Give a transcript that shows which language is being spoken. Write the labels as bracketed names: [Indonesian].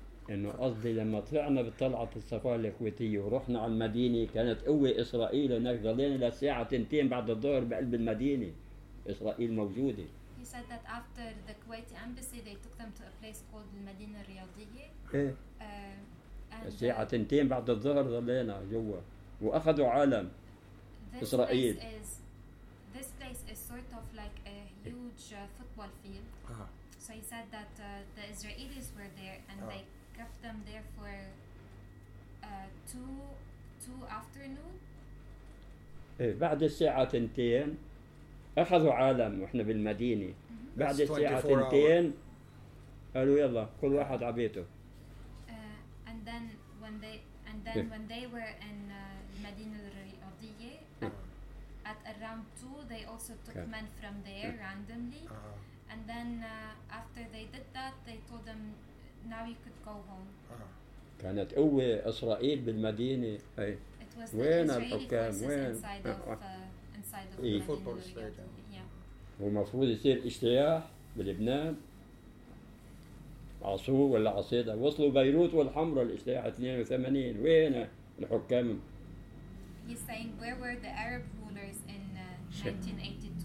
[Arabic] إنه قصدي لما طلعنا بالطلعة الصفاء الكويتية ورحنا على المدينة كانت قوة إسرائيل هناك ظلينا لساعة 2 بعد الظهر بقلب المدينة إسرائيل موجودة. [English] He said that after the Kuwaiti embassy, they took them to a place called Al-Madina Riyadiyya. [Arabic] الساعه 2 بعد الظهر ظلينا جوا واخذوا عالم اسرائيل. [English] This place is sort of like a huge football field. So he said that the Israelis were there and they kept them there for two afternoon. [Arabic] بعد الساعه 2 اخذوا عالم واحنا بالمدينه بعد الساعه 2 قالوا يلا كل واحد على بيته [English] and then when they were in المدينه الرياضيه at around 2 they also took men from there randomly and then after they did that they told them now you could go home [Arabic] كانت قوه اسرائيل بالمدينه وين الحكام وين stadium. [English] إيه. Football stadium. [Arabic] هو مفروض يصير اجتياح بلبنان. عصو ولا عصيدة وصلوا بيروت والحمرة الاجتياح 82 وين الحكام؟ [English] He's saying where were the Arab rulers in 1982?